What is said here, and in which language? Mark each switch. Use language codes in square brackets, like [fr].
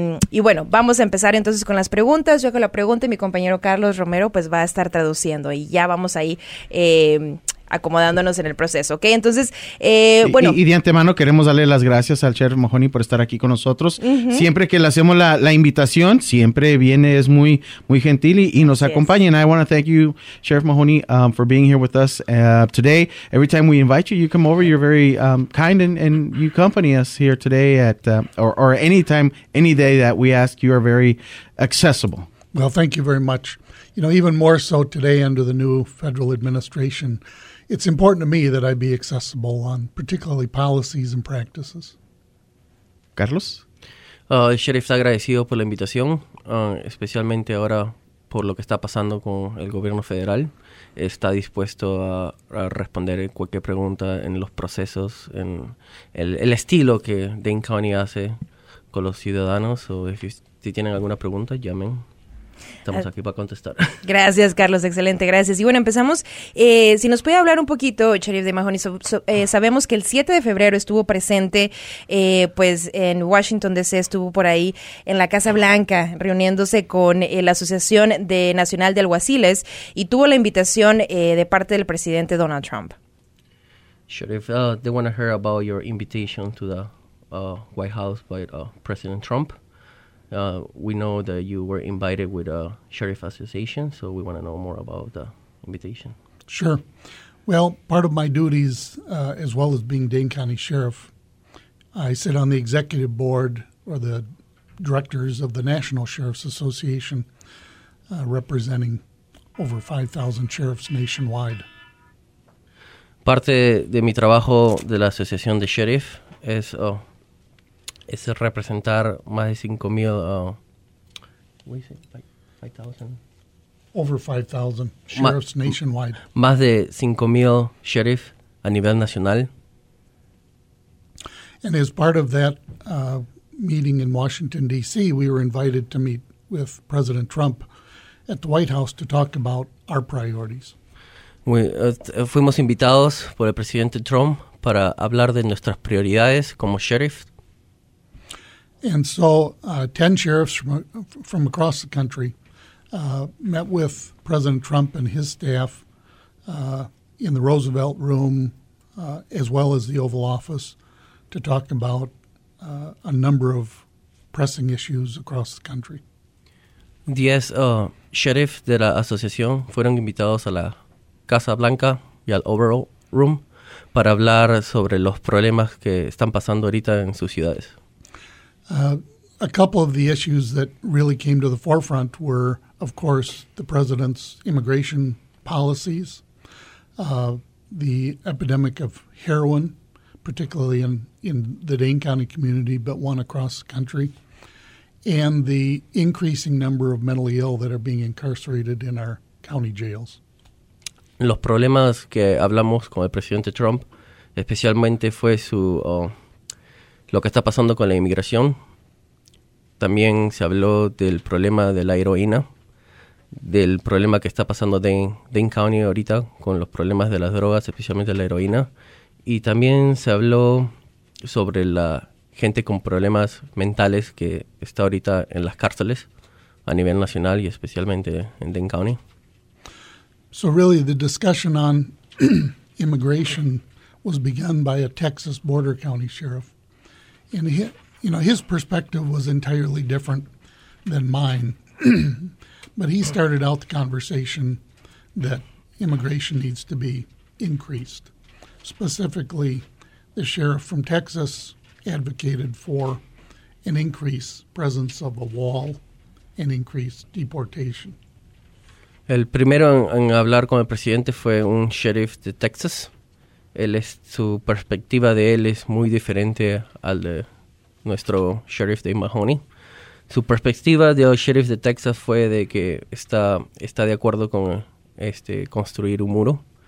[es] Y bueno, vamos a empezar entonces con las preguntas. Yo hago la pregunta y mi compañero Carlos Romero pues va a estar traduciendo y ya vamos ahí acomodándonos en el proceso, ¿ok? Entonces, bueno. Y de antemano queremos darle las gracias al Sheriff Mahoney por estar aquí con nosotros. Uh-huh. Siempre que le hacemos la invitación, siempre viene, es muy, muy gentil y nos acompaña. [en] And I want to thank you, Sheriff Mahoney, for being here with us today. Every time we invite you, you come over, you're very kind and you accompany us here today or anytime, any day that we ask, you are very accessible. Well, thank you very much. You know, even more so today under the new federal administration, it's important to me that I be accessible on particularly policies and practices. Carlos? [es] El sheriff está agradecido por la invitación, especialmente ahora por lo que está pasando con el gobierno federal. Está dispuesto a responder cualquier pregunta en los procesos, en el estilo que Dane County hace con los ciudadanos. O si tienen alguna pregunta, llamen. Estamos aquí para contestar. Gracias, Carlos. Excelente, gracias. Y bueno, empezamos. Si nos puede hablar un poquito, Sheriff Dave Mahoney, sabemos que el 7 de febrero estuvo presente pues en Washington D.C., estuvo por ahí en la Casa Blanca reuniéndose con la Asociación Nacional de Alguaciles y tuvo la invitación de parte del presidente Donald Trump. [en] Sheriff, they want to hear about your invitation to the White House by President Trump. We know that you were invited with a sheriff association, so we want to know more about the invitation. Sure. Well, part of my duties, as well as being Dane County Sheriff, I sit on the executive board or the directors of the National Sheriff's Association, representing over 5,000 sheriffs nationwide. [es] Parte de mi trabajo de la Asociación de Sheriff es... Es representar más de 5,000. [en] Over 5,000 sheriffs nationwide. [es] Más de 5,000 sheriffs a nivel nacional. [en] And as part of that, meeting in Washington, D.C., we were invited to meet with President Trump at the White House to talk about our priorities. [es] Fuimos invitados por el presidente Trump para hablar de nuestras prioridades como sheriff. [en] And so 10 sheriffs from across the country met with President Trump and his staff in the Roosevelt Room, as well as the Oval Office, to talk about a number of pressing issues across the country. [es] 10 sheriffs de la asociación fueron invitados a la Casa Blanca y al Oval Room para hablar sobre los problemas que están pasando ahorita en sus ciudades. [en] A couple of the issues that really came to the forefront were, of course, the president's immigration policies, the epidemic of heroin, particularly in the Dane County community, but one across the country, and the increasing number of mentally ill that are being incarcerated in our county jails. [es] Los problemas que hablamos con el presidente Trump, especialmente fue su lo que está pasando con la inmigración. También se habló del problema de la heroína, del problema que está pasando Dane County ahorita con los problemas de las drogas, especialmente la heroína. Y también se habló sobre la gente con problemas mentales que está ahorita en las cárceles a nivel nacional y especialmente en Dane County. [en] So really the discussion on immigration was begun by a Texas border county sheriff. And his perspective was entirely different than mine. But he started out the conversation that immigration needs to be increased. Specifically, the sheriff from Texas advocated for an increased presence of a wall and increased deportation. [es] El primero en hablar con el presidente fue un sheriff de Texas. Su perspectiva de él es muy diferente al de nuestro sheriff de Mahoney. Su perspectiva del sheriff de Texas fue de que está de acuerdo con construir un muro.